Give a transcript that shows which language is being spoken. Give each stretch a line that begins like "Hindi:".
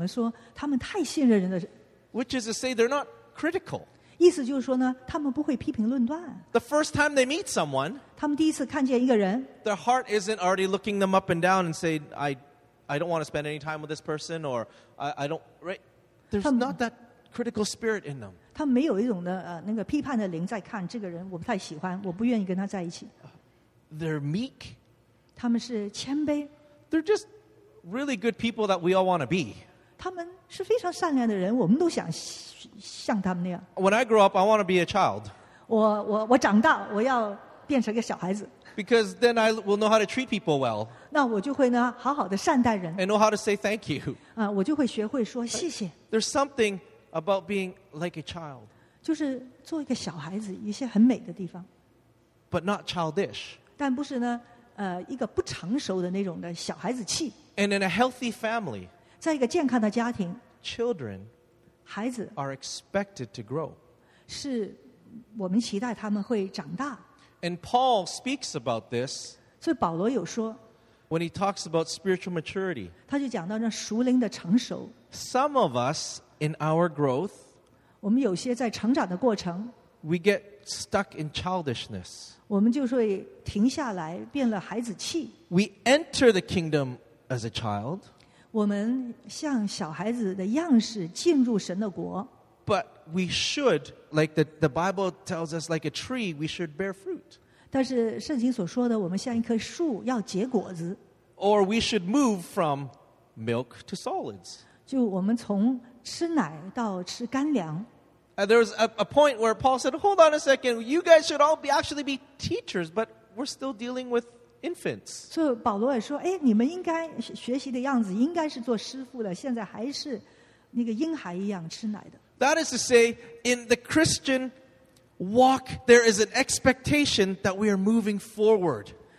Chinese: 他们非常信任人的善良，有时候我们说他们太信任人的。
English: Which is to say, they're not critical.
Chinese: 意思就是说呢，他们不会批评论断。
English: The first time they meet someone,
Chinese: 他们第一次看见一个人。
English: Their heart isn't already looking them up and down and say, I don't want to spend any time with this person, or I don't. Right? There's not that critical spirit in them.
Chinese: 他们没有一种的那个批判的灵在看这个人，我不太喜欢，我不愿意跟他在一起。
English: They're meek.
Chinese: 他们是谦卑。
English: They're just really good people that we all want to be.
Chinese: 他们是非常善良的人，我们都想像他们那样。
English: When I grow up, I want to be a child.
Chinese: 我长大，我要变成个小孩子。
English: Because then I will know how to treat people well.
Chinese: 那我就会呢，好好的善待人。
English: And know how to say thank you.
Chinese: 我就会学会说谢谢。
English: There's something about being like a child.
Chinese: 就是做一个小孩子，一些很美的地方。
English: But not childish.
Chinese: 但不是呢。一个不成熟的那种的小孩子气
English: And in a healthy family
Chinese: 在一个健康的家庭
English: Children
Chinese: 孩子
English: Are expected to grow
Chinese: 是我们期待他们会长大
English: And Paul speaks about this
Chinese: 所以保罗有说
English: When he talks about spiritual maturity
Chinese: 他就讲到那熟灵的成熟
English: Some of us in our growth
Chinese: 我们有些在成长的过程
English: We get stuck in childishness
Chinese: 我们就会停下来变了孩子气
English: We enter the kingdom as a child
Chinese: 我们像小孩子的样式进入神的国
English: But we should, like the Bible tells us, like a tree, we should bear fruit
Chinese: 但是圣经所说的, 我们像一棵树要结果子
English: Or we should move from milk to solids
Chinese: 就我们从吃奶到吃干粮
English: There was a point where Paul said, hold on a second, you guys should all be actually be teachers, but we're still dealing with infants. So
Chinese: 保罗也说,你们应该学习的样子,应该是做师父的,现在还是那个婴孩一样吃奶的。
English: That is to say, in the Christian walk, there is an expectation that we are moving forward.